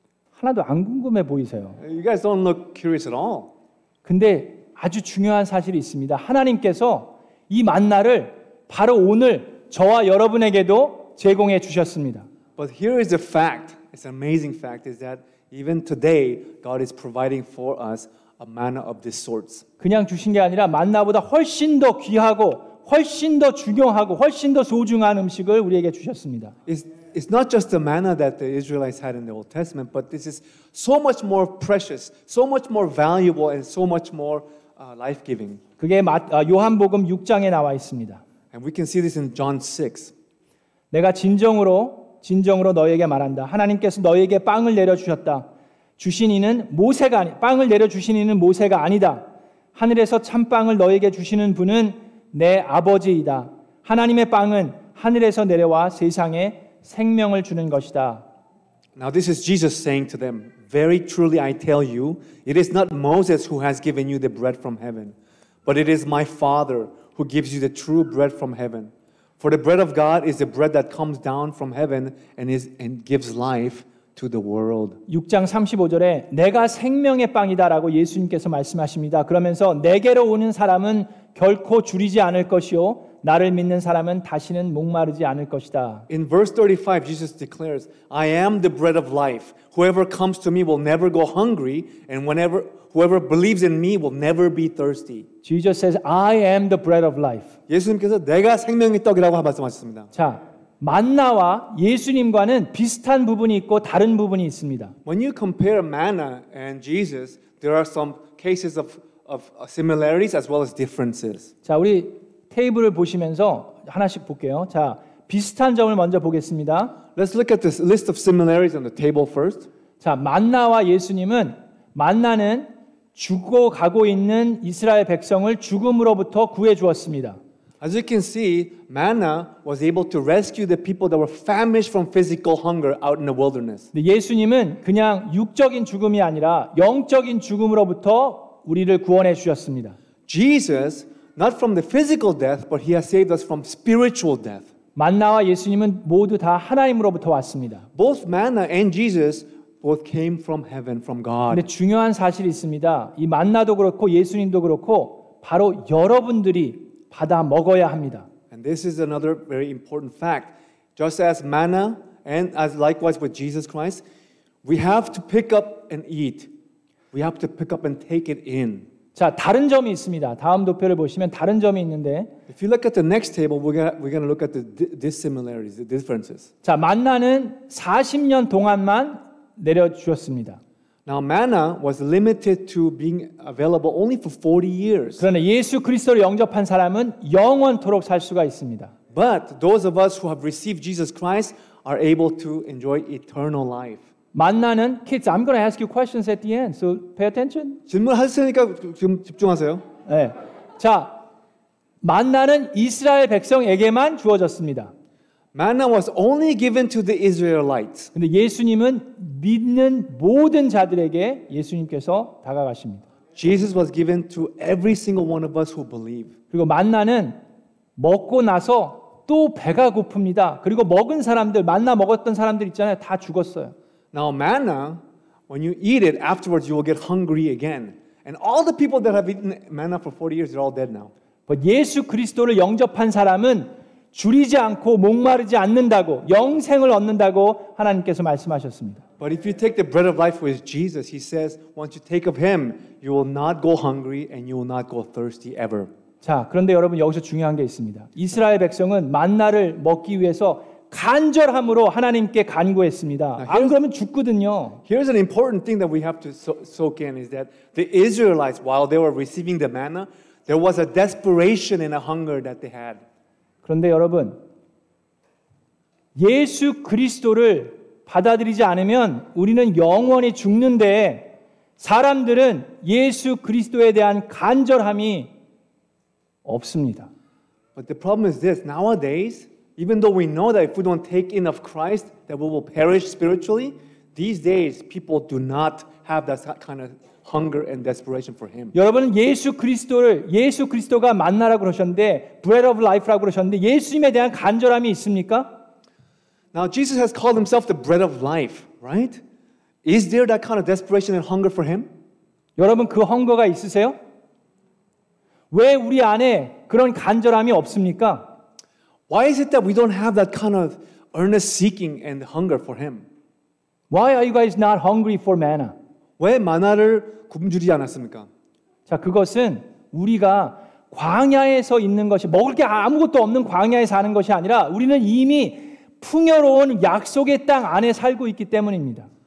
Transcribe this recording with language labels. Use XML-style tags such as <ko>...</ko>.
<ko>하나도 안 궁금해 보이세요.</ko> <en>You guys don't look curious at all.</en> <ko>근데 아주 중요한 사실이 있습니다. 하나님께서 이 만나를 바로 오늘 저와 여러분에게도 제공해 주셨습니다.</ko> <en>But here is a fact. It's an amazing fact is that even today God is providing for us a manna of this sort.</en> <ko>그냥 주신 게 아니라 만나보다 훨씬 더 귀하고 훨씬 더 중요하고 훨씬 더 소중한 음식을 우리에게 주셨습니다.</ko> <en>It's not just the manna that the Israelites had in the Old Testament, but this is so much more precious, so much more valuable, and so much more life-giving.</en> <ko>그게 요한복음 6장에 나와 있습니다.</ko> <en>And we can see this in John 6.</en> <ko>내가 진정으로 너에게 말한다. 하나님께서 너에게 빵을 내려주셨다. 주신 이는 모세가 아니, 빵을 내려주신 이는 모세가 아니다. 하늘에서 참빵을 너에게 주시는 분은 내 아버지이다. 하나님의 빵은 하늘에서 내려와 세상에 생명을 주는 것이다.</ko> <en>Now this is Jesus saying to them, Very truly I tell you, it is not Moses who has given you the bread from heaven, but it is my Father who gives you the true bread from heaven. For the bread of God is the bread that comes down from heaven and gives life to the world.</en> <ko>6장 35절에 내가 생명의 빵이다라고 예수님께서 말씀하십니다. 그러면서 내게로 오는 사람은 결코 줄이지 않을 것이요 나를 믿는 사람은 다시는 목마르지 않을 것이다.</ko> <en>In verse 35, Jesus declares, I am the bread of life. Whoever comes to me will never go hungry, and whoever believes in me will never be thirsty. Jesus says, I am the bread of life.</en> <ko>예수님께서 내가 생명의 떡이라고 말씀하셨습니다. 자, 만나와 예수님과는 비슷한 부분이 있고 다른 부분이 있습니다.</ko> <en>When you compare manna and Jesus, there are some cases of similarities as well as differences.</en> <ko>자, 우리 테이블을 보시면서 하나씩 볼게요. 자, 비슷한 점을 먼저 보겠습니다.</ko> <en>Let's look at this list of similarities on the table first.</en> <ko>자, 만나와 예수님은 만나는 죽어가고 있는 이스라엘 백성을 죽음으로부터 구해 주었습니다.</ko> <en>As you can see, manna was able to rescue the people that were famished from physical hunger out in the wilderness.</en> <ko>예수님은 그냥 육적인 죽음이 아니라 영적인 죽음으로부터 우리를 구원해 주셨습니다.</ko> <en>Jesus Not from the physical death, but He has saved us from spiritual death.</en> <ko>만나와 예수님은 모두 다 하나님으로부터 왔습니다.</ko> <en>Both manna and Jesus both came from heaven, from God.</en> <ko>근데 중요한 사실이 있습니다. 이 만나도 그렇고 예수님도 그렇고 바로 여러분들이 받아 먹어야 합니다.</ko> <en>And this is another very important fact. Just as manna and as likewise with Jesus Christ, we have to pick up and eat. We have to pick up and take it in.</en> <ko>자, 다른 점이 있습니다. 다음 도표를 보시면 다른 점이 있는데</ko> <en>If you look at the next table, we're going to look at the dissimilarities, the differences.</en> <ko>자, 만나는 40년 동안만 내려주셨습니다.</ko> <en>Now, manna was limited to being available only for 40 years.</en> <ko>그러나 예수 그리스도를 영접한 사람은 영원토록 살 수가 있습니다.</ko> <en>But those of us who have received Jesus Christ are able to enjoy eternal life.</en> <ko>만나는</ko> <en>kids, I'm going to ask you questions at the end. So pay attention.</en> <ko>질문할 테니까 좀 집중하세요. 네. 자, 만나는 이스라엘 백성에게만 주어졌습니다.</ko> <en>Manna was only given to the Israelites.</en> <ko>근데 예수님은 믿는 모든 자들에게 예수님께서 다가가십니다.</ko> <en>Jesus was given to every single one of us who believe.</en> <ko>그리고 만나는 먹고 나서 또 배가 고픕니다. 그리고 먹은 사람들, 만나 먹었던 사람들 있잖아요. 다 죽었어요.</ko> <en>Now manna, when you eat it afterwards, you will get hungry again. And all the people that have eaten manna for 40 years, they're all dead now. But</en> <ko>예수 그리스도를 영접한 사람은 줄이지 않고 목마르지 않는다고 영생을 얻는다고 하나님께서 말씀하셨습니다.</ko> <en>But if you take the bread of life with Jesus, he says, once you take of him, you will not go hungry and you will not go thirsty ever.</en> <ko>자, 그런데 여러분 여기서 중요한 게 있습니다. 이스라엘 백성은 만나를 먹기 위해서 간절함으로 하나님께 간구했습니다. 안 그러면 죽거든요.</ko> <en>Here's an important thing that we have to soak in is that the Israelites, while they were receiving the manna, there was a desperation and a hunger that they had.</en> <ko>그런데 여러분, 예수 그리스도를 받아들이지 않으면 우리는 영원히 죽는데 사람들은 예수 그리스도에 대한 간절함이 없습니다.</ko> <en>But the problem is this. Nowadays, even though we know that if we don't take in of Christ, that we will perish spiritually, these days people do not have that kind of hunger and desperation for him.</en> <ko>여러분 예수 그리스도를 예수 그리스도가 만나라고 그러셨는데</ko> <en>bread of life</en> <ko>라고 그러셨는데 예수님에 대한 간절함이 있습니까?</ko> <en>Now Jesus has called himself the bread of life, right? Is there that kind of desperation and hunger for him?</en> <ko>여러분 그 헝거가 있으세요? 왜 우리 안에 그런 간절함이 없습니까?</ko> <en>Why is it that we don't have that kind of earnest seeking and hunger for him? Why are you guys not hungry for manna?</en> <ko>왜 마나를 굶주리지 않았습니까? 자, 그것은 우리가 광야에서 있는 것이 먹을 게 아무것도 없는 광야에 사는 것이 아니라 우리는 이미 풍요로운 약속의 땅 안에 살고 있기 때문입니다.</ko>